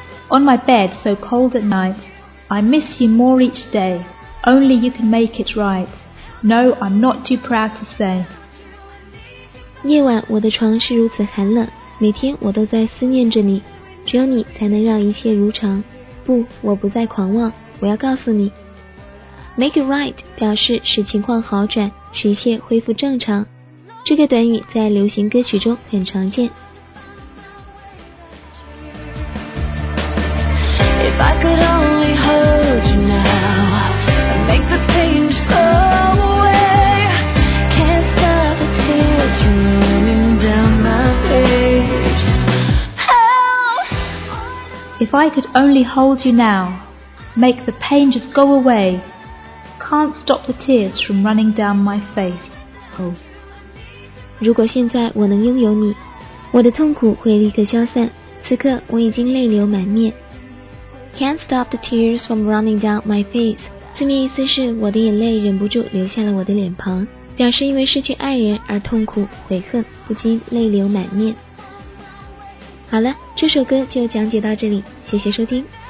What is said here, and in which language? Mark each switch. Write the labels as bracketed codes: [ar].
[en] On my bed, so cold at night, I miss you more each day. Only you can make it right. No, I'm not too proud to say. [zh] 夜晚我的床是如此寒冷，每天我都在思念着你，只有你才能让一切如常。不，我不再狂妄，我要告诉你。Make it right 表示使情况好转，使一切恢复正常。这个短语在流行歌曲中很常见。 [en] If I could only hold you now, make the pain just go away, can't stop the tears from running down my face. Oh. [zh] 如果现在我能拥有你，我的痛苦会立刻消散，此刻我已经泪流满面。 [en] Can't stop the tears from running down my face. [zh] 字面意思是我的眼泪忍不住流下了我的脸庞，表示因为失去爱人而痛苦、悔恨，不禁泪流满面。好了，这首歌就讲解到这里，谢谢收听。